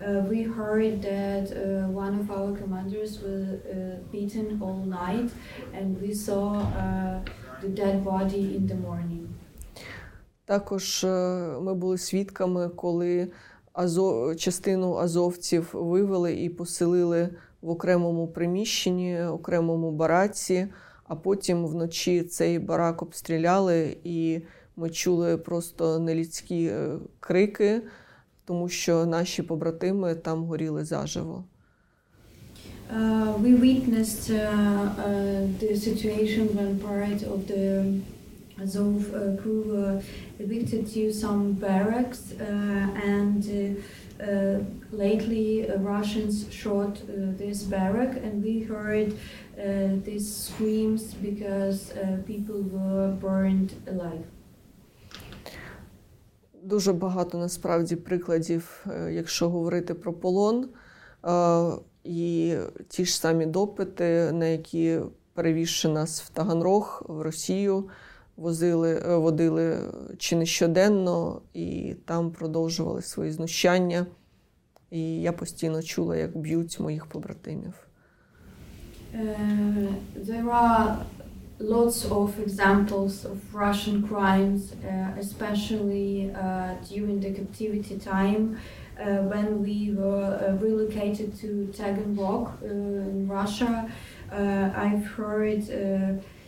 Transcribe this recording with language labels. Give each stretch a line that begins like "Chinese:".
English: We heard that one of our commanders was beaten all night, and we saw the dead body in the morning.
Ukrainian: Також ми були свідками, коли частину азовців вивели і поселили в окремому приміщенні, окремому бараці, а потім вночі цей барак обстріляли, і ми чули просто нелюдські крики, тому що наші побратими там горіли заживо.
English: We witnessed the situation when part of the Azov crew were evicted to some barracks, and lately Russians shot this barrack, and we heard these screams because people were burned alive.
Ukrainian: Дуже багато насправді прикладів, якщо говорити про полон, і ті ж самі допити, на які перевізши нас в Таганрог, в Росію, водили чи не щоденно, і там продовжували свої знущання. І я постійно чула, як б'ють моїх побратимів.
English: There are lots of examples of Russian crimes, especially during the captivity time, when we were relocated to Taganrog in Russia. I've heard